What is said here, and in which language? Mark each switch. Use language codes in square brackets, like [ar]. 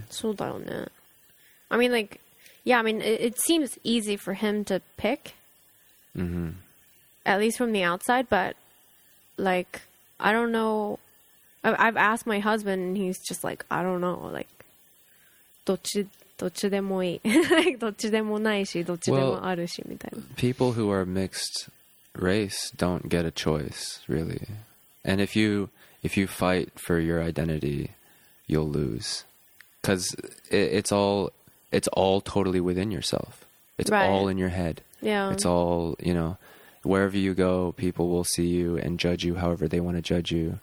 [ja] そうだよね。 [en] I mean, like, yeah, I mean, it seems easy for him to pick, mm-hmm. at least from the outside, but, like, I don't know. I've asked my husband, and he's just like, I don't know, like, [ja] どっちでもいい。 like, どっちでもないし、どっちでもあるし、みたいな。 [en] People who are mixed... race don't get a choice really, and if you fight for your identity, you'll lose, because it's all totally within yourself. It's right. All in your head. Yeah, it's all, you know, wherever you go, people will see you and judge you however they want to judge you,